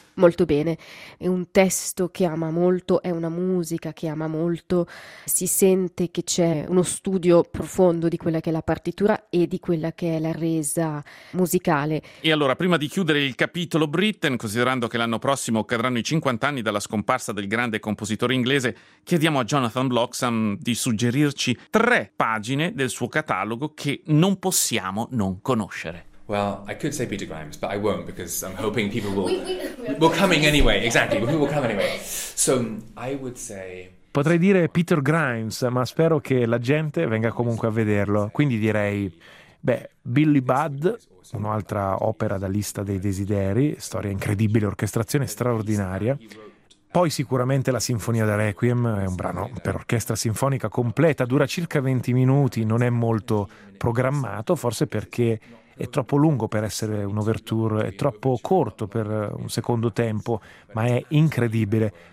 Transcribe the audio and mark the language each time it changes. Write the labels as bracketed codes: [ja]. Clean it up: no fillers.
[it] Molto bene, è un testo che ama molto, è una musica che ama molto, si sente che c'è uno studio profondo di quella che è la partitura e di quella che è la resa musicale. E allora, prima di chiudere il capitolo Britten, considerando che l'anno prossimo cadranno i 50 anni dalla scomparsa del grande compositore inglese, chiediamo a Jonathan Bloxham di suggerirci tre pagine del suo catalogo che non possiamo non conoscere. [en] Well, I could say Peter Grimes, but I won't because I'm hoping people will... We're coming anyway, exactly, people will come anyway. So, I would say... [it] Potrei dire Peter Grimes, ma spero che la gente venga comunque a vederlo. Quindi direi, Billy Budd, un'altra opera da lista dei desideri, storia incredibile, orchestrazione straordinaria. Poi sicuramente la Sinfonia da Requiem, è un brano per orchestra sinfonica completa, dura circa 20 minuti, non è molto programmato, forse perché è troppo lungo per essere un ouverture, è troppo corto per un secondo tempo, ma è incredibile.